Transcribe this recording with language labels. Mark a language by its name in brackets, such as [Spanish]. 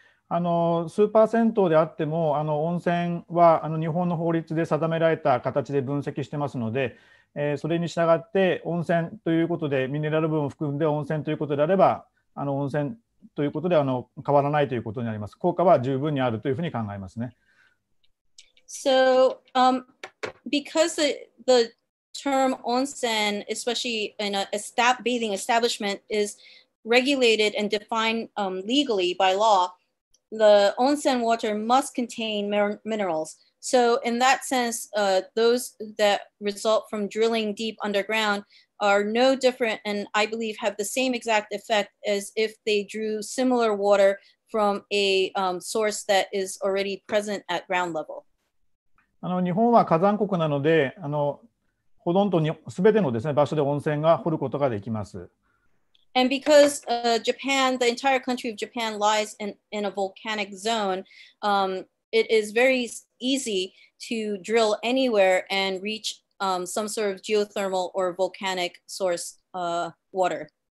[Japanese] スーパー銭湯であっても、温泉は日本の法律で定められた形で分析してますので、それに従って温泉ということでミネラル分を含んで温泉ということであれば、温泉ということで変わらないということになります。効果は十分にあるというふうに考えますね。 [English] So, because the term 温泉 especially in a bathing establishment is regulated and defined legally by law, the onsen water must contain minerals. So in that sense, those that result from drilling deep underground are no different, and I believe have the same exact effect as if they drew similar water from a source that is already present at ground level. [Japanese] 日本は火山国なので、ほとんどに全てのですね、場所で温泉が掘ることができます。 [English] And because Japan, the entire country of Japan lies in a volcanic zone, it is very easy to drill anywhere and reach some sort of geothermal or volcanic source water.